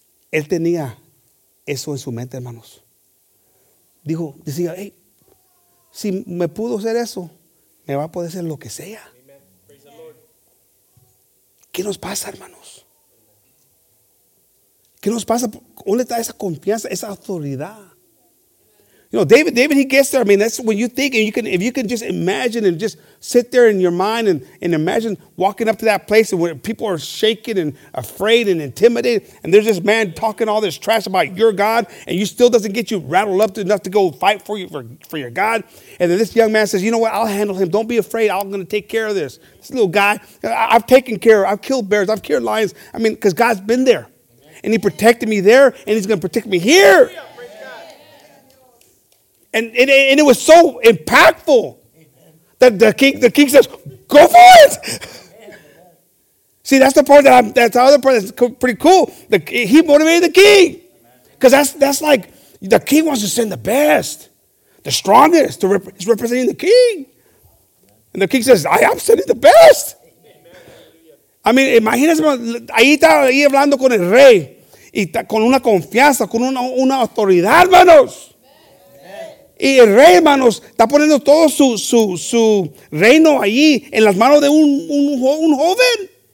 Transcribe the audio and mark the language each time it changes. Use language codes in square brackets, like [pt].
[es] Él tenía eso en su mente, hermanos. Dijo, decía, hey, si me pudo hacer eso, me va a poder hacer lo que sea. ¿Qué nos pasa, hermanos? ¿Qué nos pasa? ¿Dónde está esa confianza, esa autoridad? [en] You know, David, he gets there. I mean, that's when you think, and you can, if you can just imagine and just sit there in your mind and imagine walking up to that place and where people are shaking and afraid and intimidated, and there's this man talking all this trash about your God, and you still doesn't get you rattled up enough to go fight for you for your God. And then this young man says, you know what, I'll handle him. Don't be afraid. I'm going to take care of this. This little guy, I've taken care of. I've killed bears. I've killed lions. I mean, because God's been there, and he protected me there, and he's going to protect me here. And it was so impactful that the king says, go for it. See, that's the part that's the other part that's pretty cool. He motivated the king. Because that's like, the king wants to send the best, the strongest, he's representing the king. And the king says, I am sending the best. [es] I mean, imagínese, ahí está ahí hablando con el rey. Y con una confianza, con una autoridad, hermanos. Y el rey, hermanos, está poniendo todo su reino allí en las manos de un joven.